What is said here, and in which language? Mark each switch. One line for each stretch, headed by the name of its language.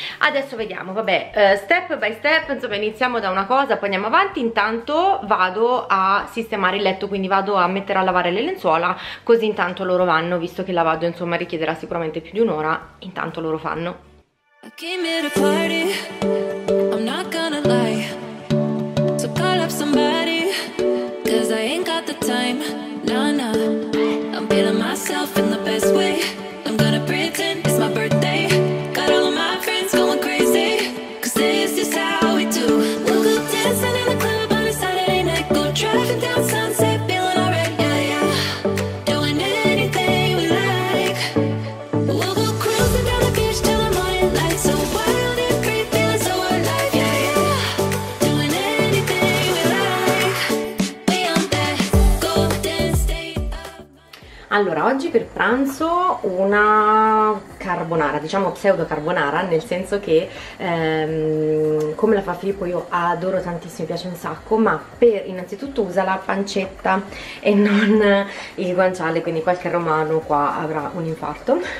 Italian: Adesso vediamo, vabbè,
English: step by step,
Italian: insomma iniziamo da una cosa poi andiamo avanti. Intanto vado a sistemare il letto, quindi vado a mettere a lavare le lenzuola, così intanto loro vanno, visto che il lavaggio insomma richiederà sicuramente più di un'ora, intanto loro fanno.
English: I came here to party. I'm not gonna lie. So call up somebody, 'cause I ain't got the time. Nah, nah. I'm feeling myself in the best way. I'm gonna pretend it's my birthday. Got all of my friends going crazy, 'cause this is how we do. We'll go dancing in the club on a Saturday night. Go driving down Sunset, feeling alright. Yeah, yeah. Doing anything we like. We'll go cruising down the beach till the morning light. So wild and free, feeling so alive. Yeah, yeah. Doing anything we like. We on that golden state of...
Italian: Allora, oggi per pranzo una carbonara, diciamo pseudo carbonara, nel senso che come la fa Filippo io adoro tantissimo, piace un sacco, ma per innanzitutto usa la pancetta e non il guanciale, quindi qualche romano qua avrà un infarto.